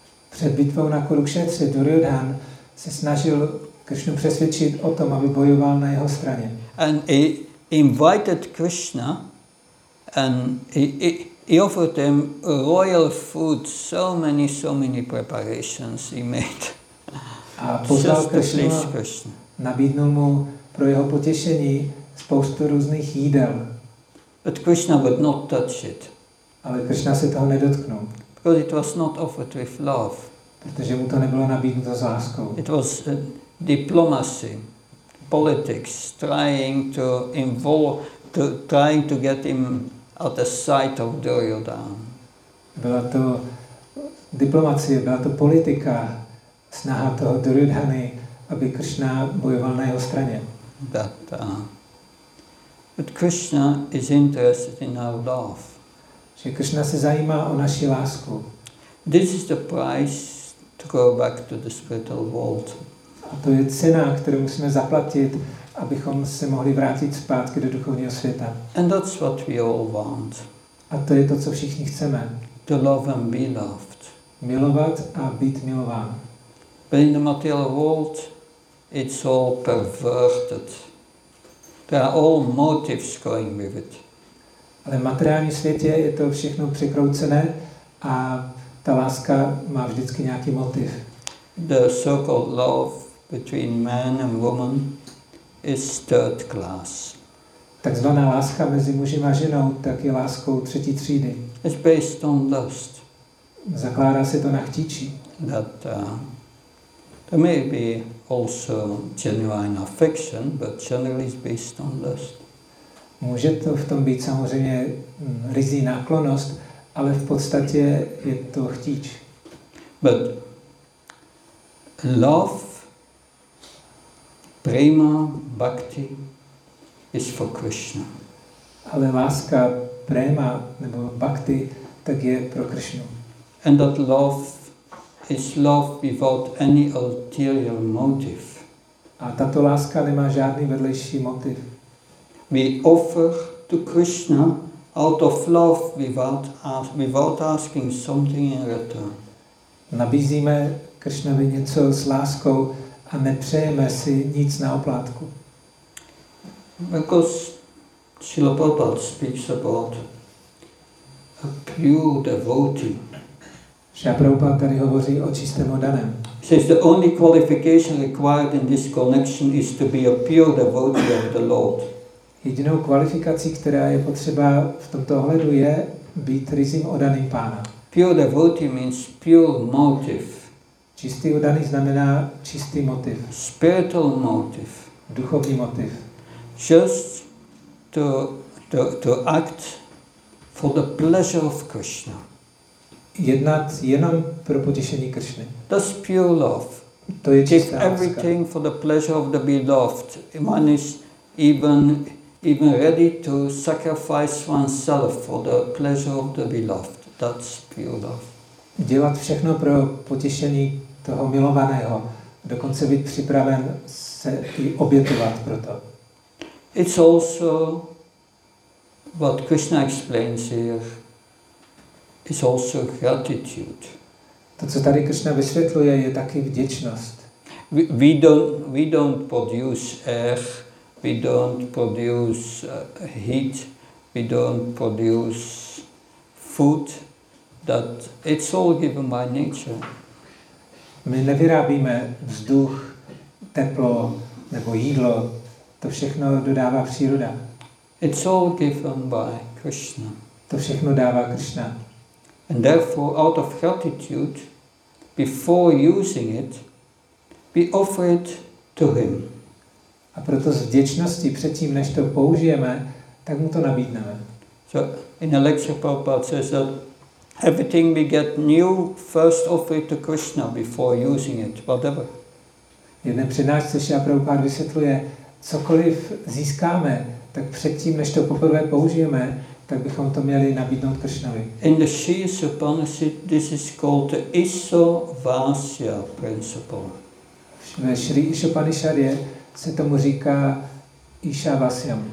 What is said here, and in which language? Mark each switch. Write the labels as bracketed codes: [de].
[cs] Před bitvou na Kurukshetře Duryodhan se snažil Krishnu přesvědčit o tom, aby bojoval na jeho straně. [en] And he invited Krishna and he offered him royal food, so many preparations he made. [cs] A pozval Krishna. Nabídnul mu pro jeho potěšení spoustu různých jídel. [en] But Krishna would not touch it. [cs] Ale Krishna se toho nedotknul. [en] Because it was not offered with love. [cs] Protože mu to nebylo nabídnuto s láskou. [en] It was diplomacy, politics, trying to get him at the side of Duryodhana. [cs] Byla to diplomacie, byla to politika, snaha toho Duryodhany, aby Krishna bojoval na jeho straně. [en] But Krishna is interested in our love. [cs] Že Krishna se zajímá o naši lásku. [en] This is the price to go back to the spiritual world. [cs] A to je cena, kterou musíme zaplatit, abychom se mohli vrátit zpátky do duchovního světa. [en] And that's what we all want. [cs] A to je to, co všichni chceme. [en] To love and be loved. [cs] Milovat a být milován. [en] But in the material world, it's all perverted. There are all motives going with it. [cs] Ale v materiální světě je to všechno překroucené a ta láska má vždycky nějaký motiv. [en] The so-called love between man and woman is third class. [cs] Takzvaná láska mezi mužem a ženou tak je láskou třetí třídy. [en] It's based on lust. [cs] Zakládá se to na chtíči. [en] That there may be also genuine affection, but generally it's based on lust. [cs] Může to v tom být samozřejmě ryzí náklonnost, ale v podstatě je to chtíč. [en] But love, prema, bhakti is for Krishna. [cs] Ale láska, prema nebo bhakti, tak je pro Krishnu. [en] And that love is love without any ulterior motive. [cs] A tato láska nemá žádný vedlejší motiv. [en] We offer to Krishna out of love without asking something in return. [cs] Nabízíme Krishnovi něco s láskou a nepřejeme si nic na oplátku. [en] Because Srila Prabhupada speaks about a pure devotee. [cs] Srila Prabhupada tady hovoří o čistém oddaném. [en] Says the only qualification required in this connection is to be a pure devotee of the Lord. [cs] Jedinou kvalifikací, která je potřeba v tomto ohledu, je být ryzím oddaným pána. [en] Pure devotee means pure motive. [cs] Čistý oddaný znamená čistý motiv. [en] Spiritual motive. [cs] Duchovní motiv. [en] Just to act for the pleasure of Krishna. [cs] Jednat jenom pro potěšení Krishny. [en] That's pure love. [cs] To je čistá láska. [en] Give everything for the pleasure of the beloved. One is even ready to sacrifice oneself for the pleasure of the beloved. That's pure love. [cs] Dělat všechno pro potěšení toho milovaného, dokonce být připraven se i obětovat pro to. [en] It's also what Krishna explains here. It's also gratitude. [cs] To, co tady Krishna vysvětluje, je taky vděčnost. [en] We don't produce air, we don't produce heat, we don't produce food. That it's all given by nature. [cs] My nevyrábíme vzduch, teplo nebo jídlo. To všechno dodává příroda. [en] It's all given by Krishna. [cs] To všechno dává Krishna. [en] And therefore, out of gratitude, before using it, we offer it to him. [cs] A proto z vděčnosti předtím, než to použijeme, tak mu to nabídneme. [en] So in a lecture Prabhupada says that everything we get new, first offer it to Krishna before using it, whatever. [cs] Jedné přednášce Srila Prabhupada vysvětluje, cokoliv získáme, tak předtím, než to poprvé použijeme, tak bychom to měli nabídnout Kršnovi. [en] In the Shri Upanishad, this is called the Iso Vasya principle. [cs] Ve Shri Upanishadě se tomu říká Isha Vasya.